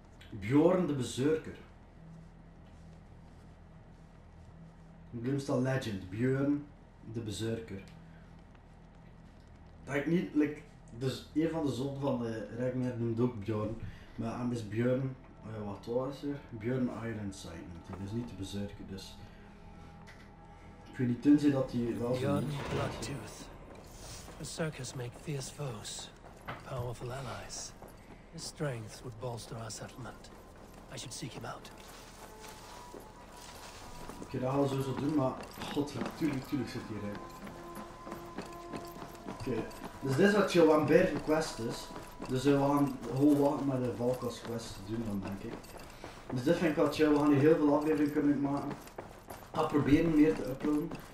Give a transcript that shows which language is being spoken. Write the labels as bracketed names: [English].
[Dutch] Bjorn de Bezurker. Glimstal Legend, Bjorn. De Bezurker. Dat ik niet, like, dus een van de zonden van de Ragnar noemt ook Bjorn. Maar hem is Bjorn, wat was er? Bjorn Ironside noemt hij, dus niet de Bezurker. Dus. Ik weet niet, tenzij dat hij wel [English] zo'n... Bjorn Bloodtooth. The circus make fierce foes, powerful allies. His strength would bolster our settlement. I should seek him out. [Dutch] Oké, dat gaan we zo doen, maar god, natuurlijk zit hier rijk. Oké, dus dit is wat je aan beide quest is. Dus we gaan gewoon wat met de Valkas quest doen dan, denk ik. Dus dit vind ik wel chill, we gaan hier heel veel afleveringen kunnen maken. Ik ga proberen meer te uploaden.